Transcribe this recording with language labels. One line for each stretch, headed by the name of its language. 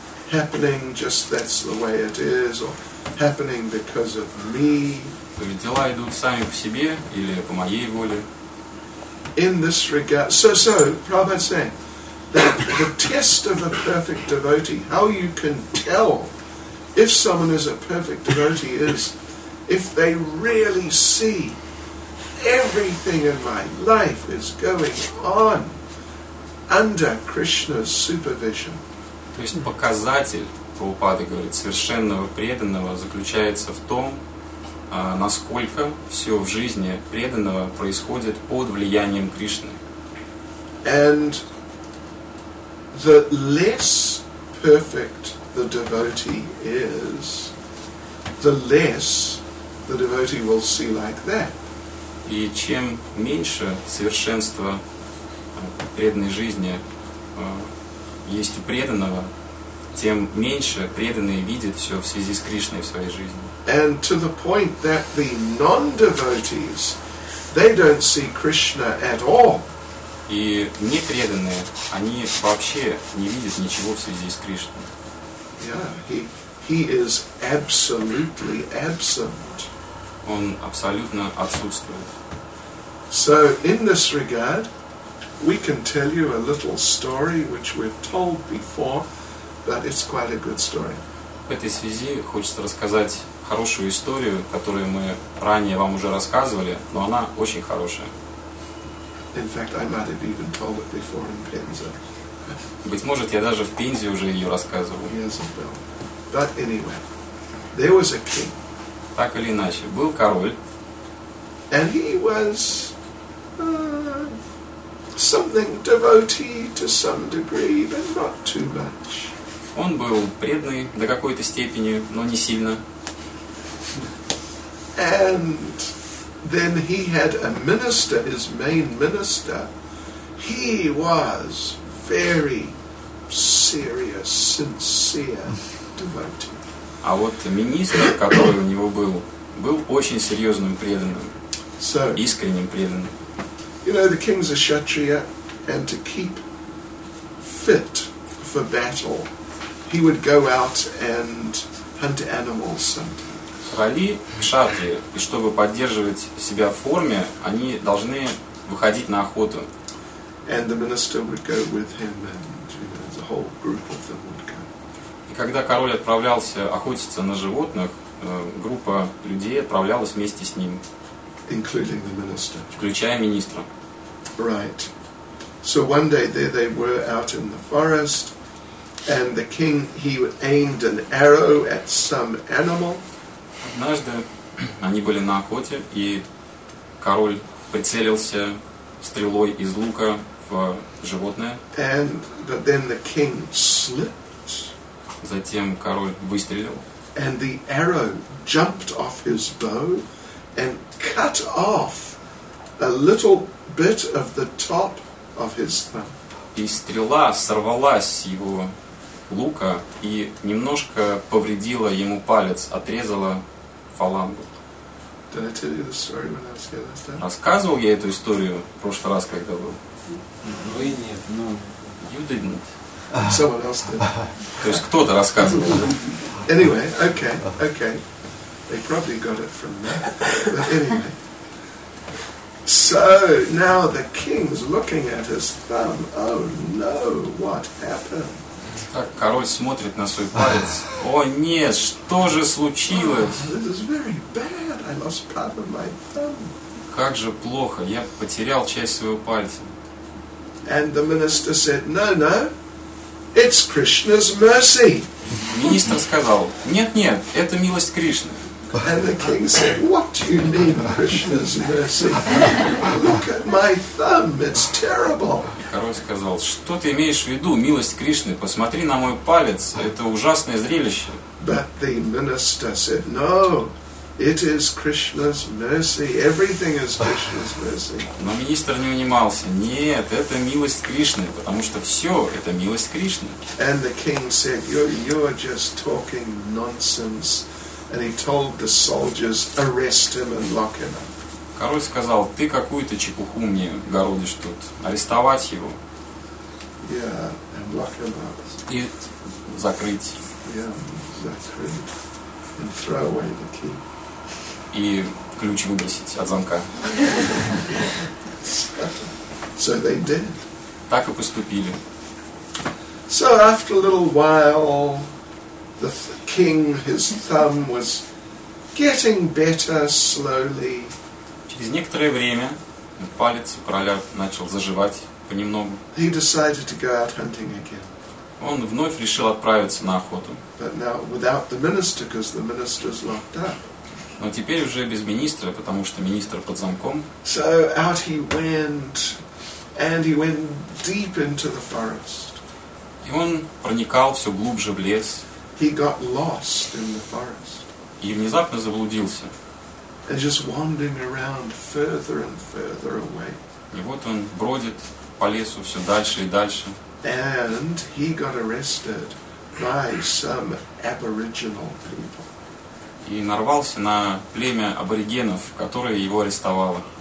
English: Happening, just that's the way it is, or happening because of me.
Russian: То есть дела идут сами по себе или по моей воле.
English: In this regard, so Prabhupada saying that the test of a perfect devotee, how you can tell if someone is a perfect devotee is if they really see everything in my life is going on under Krishna's supervision.
Russian: То есть показатель, Прабхупада говорит, совершенного преданного заключается в том, насколько все в жизни преданного происходит под влиянием Кришны.
English: And the less perfect the devotee is, the less the devotee will see like that.
Russian: И чем меньше совершенства преданной жизни есть у преданного, тем меньше преданные видят все в связи с Кришной в своей жизни.
English: And to the point that the non-devotees, they don't see Krishna at all.
Russian: И непреданные, они вообще не видят ничего в связи с Кришной.
English: Yeah, he is absolutely absent.
Russian: он абсолютно отсутствует.
English: So in this regard, we can tell you a little story which we've told before, but it's quite a good story.
Russian: В этой связи хочется рассказать хорошую историю, которую мы ранее вам уже рассказывали, но она очень хорошая.
English: In fact, I might have even told it before in Penza.
Russian: Быть может, я даже в Пензе уже ее рассказывал.
English: Yes, well. But anyway, there was a king.
Russian: Так или иначе, был король.
English: And he was something devotee to some degree, but not too much.
Russian: Он был преданный до какой-то степени, но не сильно.
English: And then he had a minister, his main minister. He was very serious, sincere devotee.
Russian: А вот министр, который у него был, был очень серьезным преданным, искренним преданным.
English: You know, the king's a kshatriya, and to keep fit for battle, he would go out and hunt animals sometimes.
Russian: Короли кшатрия, и чтобы поддерживать себя в форме, они должны выходить на охоту.
English: And the minister would go with him, and you know, the whole group of them would go.
Russian: И когда король отправлялся охотиться на животных, группа людей отправлялась вместе с ним.
English: Including the minister.
Russian: Включая министра.
English: Right. So one day there they were out in the forest, and the king he aimed an arrow at some animal.
Russian: Однажды они были на охоте, и король прицелился стрелой из лука в животное.
English: And but then the king slipped.
Russian: Затем король выстрелил.
English: And the arrow jumped off his bow and cut off a little bit of the top of his thumb.
Russian: И стрела сорвалась с его лука и немножко повредила ему палец, отрезала фалангу.
English: Did I tell you the story when I was here last time?
Russian: Рассказывал я эту историю в прошлый раз, когда был? Вы нет, ну...
English: You didn't. Someone else did.
Russian: То есть кто-то рассказывал.
English: Anyway, okay, okay. They probably got it from that. But anyway. So, now the king's looking at his thumb. Oh no, what happened?
Russian: Так король смотрит на свой палец. О нет, что же случилось?
English: This is very bad. I lost part of my thumb.
Russian: Как же плохо, я потерял часть своего пальца.
English: And the minister said, no, no, it's Krishna's mercy.
Russian: Министр сказал, нет, нет, это милость Кришны.
English: And the king said, what do you mean, Krishna's mercy? Look at my thumb, it's terrible.
Russian: Король сказал, что ты имеешь в виду, милость Кришны, посмотри на мой палец, это ужасное зрелище.
English: But the minister said, no, it is Krishna's mercy, everything is Krishna's mercy.
Russian: Но министр не унимался, нет, это милость Кришны, потому что все это милость Кришны.
English: And the king said, you're just talking nonsense. And he told the soldiers, arrest him and lock him up.
Russian: Король сказал, ты какую-то чепуху мне городишь тут. Арестовать его.
English: Yeah, and lock him up.
Russian: И закрыть.
English: Yeah,
Russian: закрыть.
English: And throw away the key.
Russian: И ключ выбросить от замка.
English: So they did.
Russian: Так и поступили.
English: So after a little while, the king, his thumb was getting better slowly.
Russian: Через некоторое время палец короля начал заживать понемногу.
English: He decided to go out hunting again.
Russian: Он вновь решил отправиться на охоту.
English: But now without the minister, because the minister's locked up.
Russian: Но теперь уже без министра, потому что министр под замком.
English: So out he went, and he went deep into the forest.
Russian: И он проникал все глубже в лес.
English: He got lost in the forest.
Russian: И внезапно заблудился.
English: And just wandering around further and further away.
Russian: И вот он бродит по лесу все дальше и дальше.
English: And he got arrested by some aboriginal people.
Russian: И нарвался на племя аборигенов, которое его арестовало.